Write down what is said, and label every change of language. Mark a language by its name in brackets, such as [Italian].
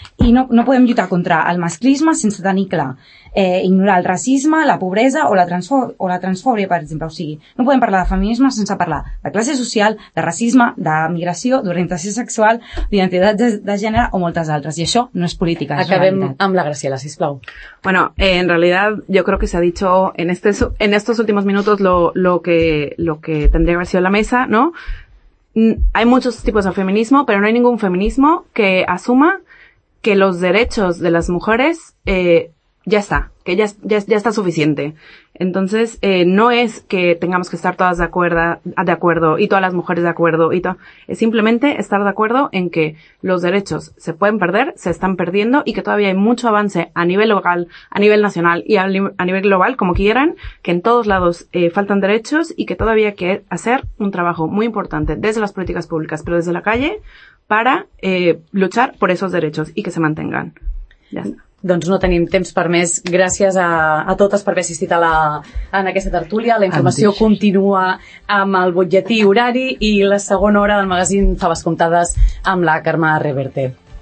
[Catalan] I no podem lluitar contra el masclisme sense tenir clar ignorar el racisme, la pobresa o la transfòbia, per exemple. O sigui, no podem parlar de feminisme sense parlar de classe social, de racisme, de migració, d'orientació sexual, d'identitat de gènere o moltes altres. I això no és política, és realitat. Acabem amb la Graciela, sisplau. [Spanish] Bueno, en realidad yo creo que se ha dicho en estos últimos minutos lo que tendría que haber sido la mesa, ¿no? Hay muchos tipos de feminismo, pero no hay ningún feminismo que asuma que los derechos de las mujeres ya está suficiente. Entonces, no es que tengamos que estar todas de acuerdo y todas las mujeres de acuerdo y todo. Es simplemente estar de acuerdo en que los derechos se pueden perder, se están perdiendo y que todavía hay mucho avance a nivel local, a nivel nacional y a nivel global, como quieran, que en todos lados faltan derechos y que todavía hay que hacer un trabajo muy importante desde las políticas públicas, pero desde la calle, para luchar por esos derechos y que se mantengan. Ya está. [Catalan] Doncs no tenim temps per més. Gràcies a totes per haver assistit en aquesta tertúlia. La informació continua amb el butlletí horari i la segona hora del magazín Faves Comptades amb la Carme Reverte.